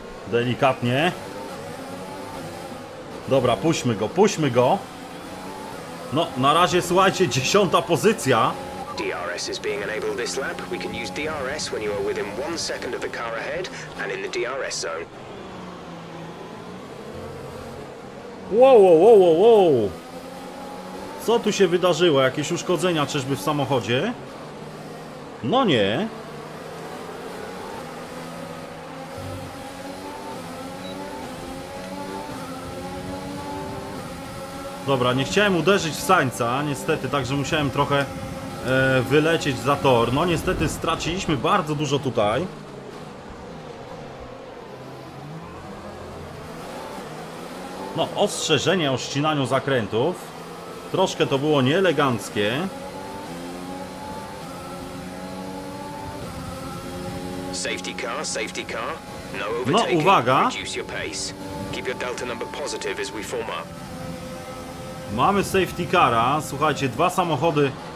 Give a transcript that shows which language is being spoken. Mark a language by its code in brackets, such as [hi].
[pl] Delikatnie. Dobra, puśćmy go, puśćmy go. No, na razie, słuchajcie, 10 pozycja. [en] DRS is being enabled this lap. We can use DRS when you are within 1 second of the car ahead and in the DRS zone. [pl] Wow, wow, wow, wow, wow. Co tu się wydarzyło? Jakieś uszkodzenia czyżby w samochodzie? No nie. Dobra, nie chciałem uderzyć w Sańca, niestety, także musiałem trochę wylecieć za tor. No niestety straciliśmy bardzo dużo tutaj. No, ostrzeżenie o ścinaniu zakrętów. Troszkę to było nieeleganckie. [en] Safety car, safety car. [pl] No, uwaga. [en] Keep your delta number positive as we form up. [pl] Mamy safety cara, słuchajcie, dwa samochody.